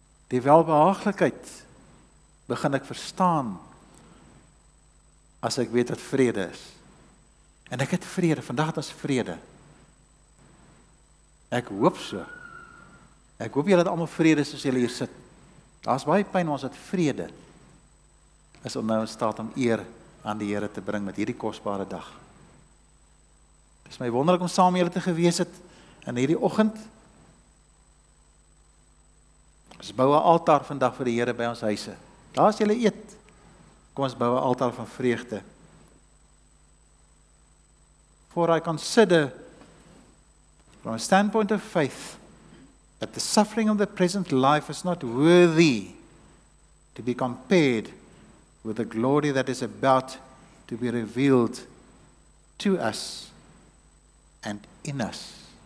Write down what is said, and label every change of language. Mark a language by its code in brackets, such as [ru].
[af] Die welbehaaglikheid begin ek verstaan as ek weet wat vrede is. En ek het vrede, vandag het ons vrede. Ek hoop so. Ek hoop julle het almal vrede soos julle hier sit. Daar is baie pyn, ons het vrede. Is om nou in staat om eer aan die Here te bring met hierdie kostbare dag. Dit is my wonderlik om saam met julle te gewees het in hierdie oggend. Ons bou 'n altaar vandag vir die Here by ons huise. Daar is julle eet. Kom ons bou 'n altaar van vreugde. [en] For I consider from a standpoint of faith that the suffering of the present life is not worthy to be compared with the glory that is about to be revealed to us and in us.